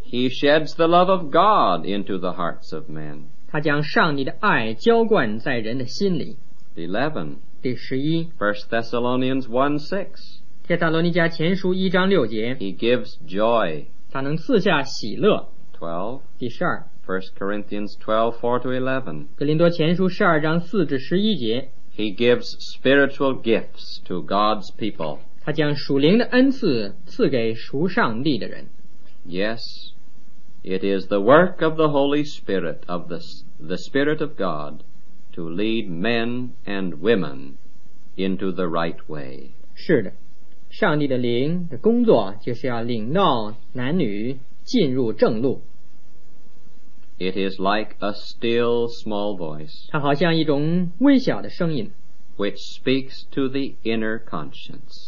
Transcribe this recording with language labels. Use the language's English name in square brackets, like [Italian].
[English] He sheds the love of God into the hearts of men. [Chinese] 他将上帝的爱浇灌在人的心里。 [English] 11. [Chinese] 第十一。 [English] First Thessalonians 1:6. [Chinese] 帖撒罗尼迦前书一章六节。 [English] He gives joy. [Chinese] 他能赐下喜乐。 [English] 12. [Chinese] 第十二。 [English] First Corinthians 12:4-11. [Chinese] 格林多前书十二章四至十一节。 [English] He gives spiritual gifts to God's people. [Chinese] 他将属灵的恩赐赐给属上帝的人。 [English] Yes, it is the work of the Holy Spirit of the Spirit of God. To lead men and women into the right way. [Chinese] 是的，上帝的灵的工作就是要领导男女进入正路。 [English] It is like a still small voice. [Chinese] 它好像一种微小的声音。 [English] Which speaks to the inner conscience.